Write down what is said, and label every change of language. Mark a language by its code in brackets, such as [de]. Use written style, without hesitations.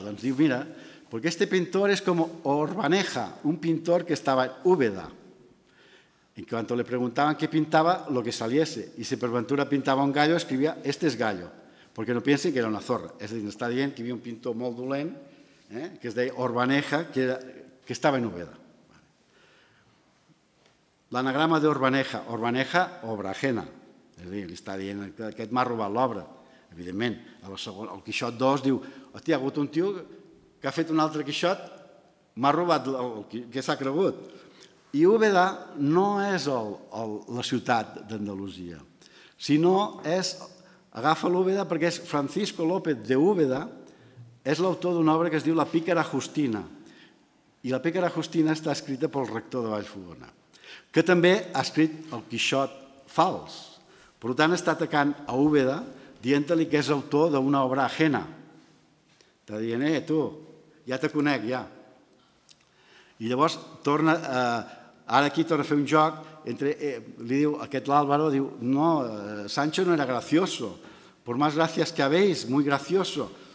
[ca] Doncs diu, mira, perquè este pintor és com Orbaneja, un pintor que estava en Úbeda. [es] En cuanto le preguntaban qué pintaba, lo que saliese. Y si por ventura pintaba un gallo, escribía, este es gallo. Porque no piensen que era una zorra. Es decir, está bien que había un pintor [ca] molt dolent, que es deia Orbaneja, [es] que estava en Úbeda. [ca] L'anagrama de Orbaneja, Orbaneja, obra ajena. És a dir, li està dient, aquest m'ha robat l'obra. Evidentment, el Quixot 2 diu, hòstia, ha hagut un tio que ha fet un altre Quixot, m'ha robat el que s'ha cregut. I Úbeda no és la ciutat d'Andalusia, sinó és, agafa l'Úbeda perquè és Francisco López de Úbeda, és l'autor d'una obra que es diu La Pícara Justina. I La Pícara Justina està escrita pel rector de Vallfogona, que també ha escrit el Quixot fals. Per tant, està atacant a Úbeda, dient-li que és autor d'una obra ajena. Està dient, tu, ja te conec, ja. I llavors torna, ara aquí torna a fer un joc, li diu aquest l'Álvaro, diu, [es] no, Sancho no era gracioso, por más gracias que habéis, muy gracioso.